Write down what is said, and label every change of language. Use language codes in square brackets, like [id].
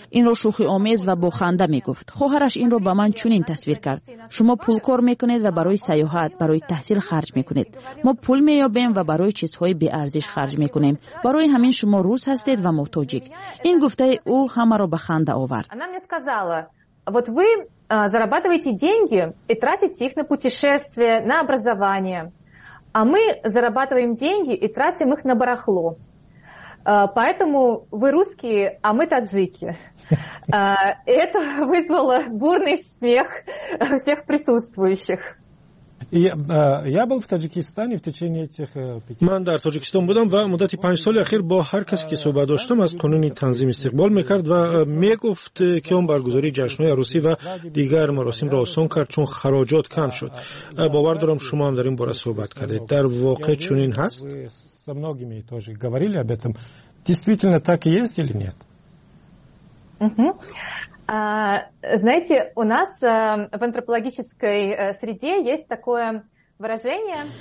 [fa] این را شوخی آمیز و با خنده می گفت. خواهرش این را به من چنین تصویر کرد. شما پول کار می کنید و برای سیاحت، برای تحصیل خرج می کنید. ما پول می یابیم و برای چیزهای بی ارزش خرج می کنیم. برای همین شما روس هستید و ما تاجیک. این گفته او همه را به خنده آورد. [ru] Она мне сказала: "Вот вы зарабатываете деньги и тратите их на путешествия, на образование. А мы зарабатываем деньги и тратим их на барахло. Поэтому вы русские, а мы таджики". Это вызвало бурный смех всех присутствующих. Я был в Таджикистане в течение этих 5. [tg] Ман дар Таджикистан будам ва муддати 5 соли ахир бо ҳар касе ки суҳбат доштам аз қонуни танзим истиқбол мекард ва мегуфт ки он баргузори ҷашнҳои арӯсӣ ва дигар маросимро осон кард чун хароҷот кам шуд. Бовар дорам шумо ҳам дар ин бора суҳбат кардед. Дар воқеъ чунин ҳаст? [ru] Со многими тоже говорили об этом. Действительно так и есть или нет? Знаете, у нас в антропологической среде есть такое выражение.